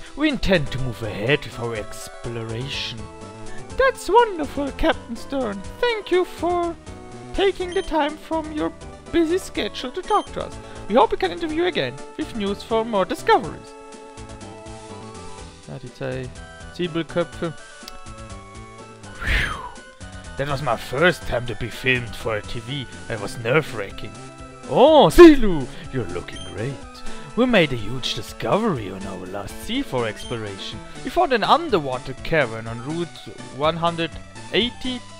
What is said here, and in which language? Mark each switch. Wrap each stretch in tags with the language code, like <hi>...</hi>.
<en>We intend to move ahead with our exploration. That's wonderful, Captain Stern. Thank you for taking the time from your busy schedule to talk to us. We hope we can interview you again with news for more discoveries.</en> <de>Ja, die zwei Zwiebelköpfe. Whew.</de> <en>That was my first time to be filmed for a TV. It was nerve-wracking. Oh, Silu, you're looking great. We made a huge discovery on our last C4 exploration. We found an underwater cavern on route 182?</en>